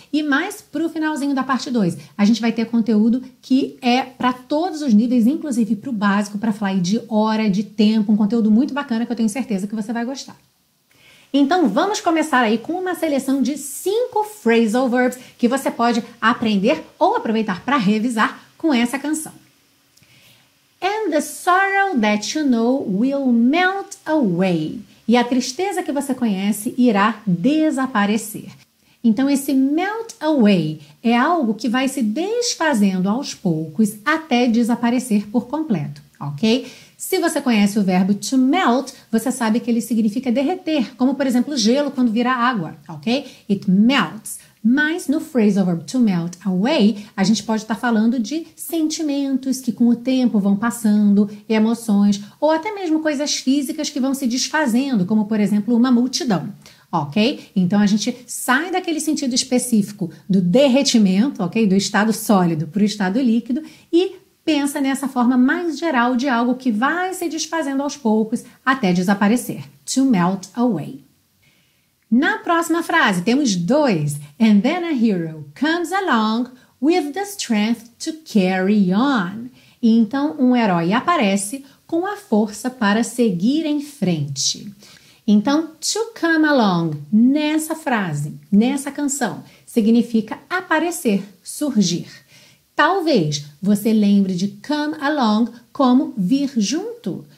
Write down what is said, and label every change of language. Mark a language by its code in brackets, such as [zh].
[pt] E mais para o finalzinho da parte 2, a gente vai ter conteúdo que é para todos os níveis, inclusive para o básico, para falar de hora, de tempo, um conteúdo muito bacana que eu tenho certeza que você vai gostar. Então vamos começar aí com uma seleção de 5 phrasal verbs que você pode aprender ou aproveitar para revisar com essa canção. [en] And the sorrow that you know will melt away. [pt] E a tristeza que você conhece irá desaparecer. Então, esse melt away é algo que vai se desfazendo aos poucos até desaparecer por completo, ok? Se você conhece o verbo to melt, você sabe que ele significa derreter, como, por exemplo, gelo quando vira água, ok? [en] It melts. [pt] Mas no phrasal verb to melt away, a gente pode estar falando de sentimentos que com o tempo vão passando, emoções, ou até mesmo coisas físicas que vão se desfazendo, como por exemplo uma multidão, ok? Então a gente sai daquele sentido específico do derretimento, ok? Do estado sólido para o estado líquido e pensa nessa forma mais geral de algo que vai se desfazendo aos poucos até desaparecer. [en] To melt away. [pt] Na próxima frase, temos 2. [en] And then a hero comes along with the strength to carry on. [pt] E então, um herói aparece com a força para seguir em frente. Então, to come along nessa frase, nessa canção, significa aparecer, surgir. Talvez você lembre de come along como vir junto.